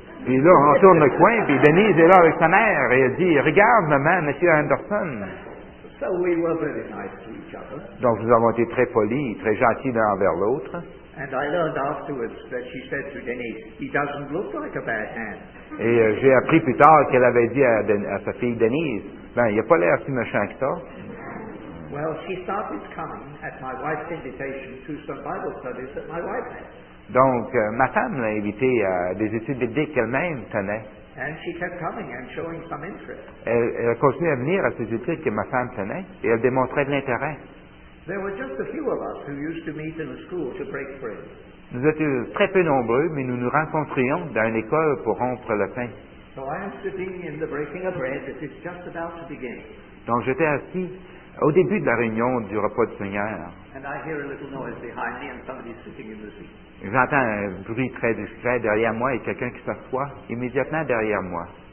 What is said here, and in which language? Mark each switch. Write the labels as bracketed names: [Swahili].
[French] Puis là, on tourne le coin, puis Denise est là avec sa mère et elle dit, "Regarde, maman, Monsieur Anderson." [English] So we were very nice to each other. [French] Donc nous avons été très polis, très gentils l'un envers l'autre. [English] And I learned afterwards that she said to Denise, "He doesn't look like a bad hand." [French] Et j'ai appris plus tard qu'elle avait dit à sa fille Denise, "Ben, il a pas l'air si méchant que ça." [English] Well, she started coming at my wife's invitation to some Bible studies that my wife had. [French] Donc, ma femme l'a invité à des études bibliques qu'elle-même tenait. [English] And she kept coming and showing some interest. [French] Elle a continué à venir à ces études que ma femme tenait et elle démontrait de l'intérêt. [English] There were just a few of us who used to meet in a school to break bread. [French] Nous étions très peu nombreux, mais nous nous rencontrions dans une école pour rompre le pain. [English] So I am sitting in the breaking of bread that is just about to begin. [French] Donc, j'étais assis au début de la réunion du repas du Seigneur. [English] And I hear a little noise behind me and somebody sitting in the seat. [French] J'entends un bruit très discret derrière moi et quelqu'un qui s'assoit immédiatement derrière moi.